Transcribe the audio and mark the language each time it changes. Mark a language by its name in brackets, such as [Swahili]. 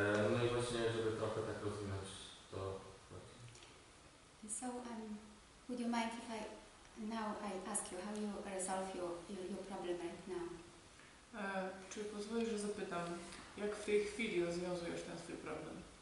[Polish] No i właśnie, żeby trochę tak rozwinąć to. [English] So, would you mind if I ask you how you resolve your problem right now? [Polish] Czy pozwolisz, że zapytam, jak w tej chwili rozwiązujesz ten swój problem?